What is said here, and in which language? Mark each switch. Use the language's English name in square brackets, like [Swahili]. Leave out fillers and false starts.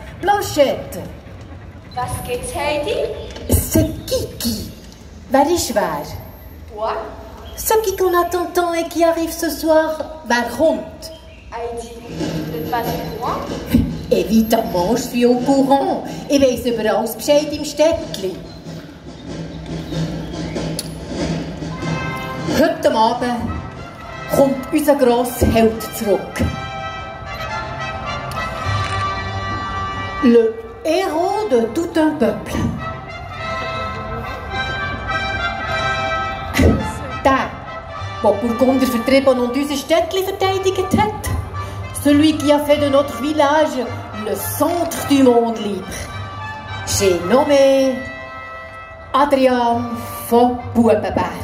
[French] Blanchette! [German] Was geht's, Heidi? [French] C'est Kiki. [German] Wer ist wer? [French] Toi? Ceux qui qu'on attend tant et qui arrive ce soir, [German] wer kommt? [French] Heidi, tu n'es pas au courant? Évidemment, je suis au courant. [German] Ich weiss über alles Bescheid im Städtli. Heute Abend kommt unser grosser Held zurück. [French] Le héros de tout un peuple. [German] Der, der Burgunder vertrieben und unser Städtchen verteidigt hat. [French] Celui qui a fait de notre village le centre du monde libre. J'ai nommé Adrian von Bubenberg.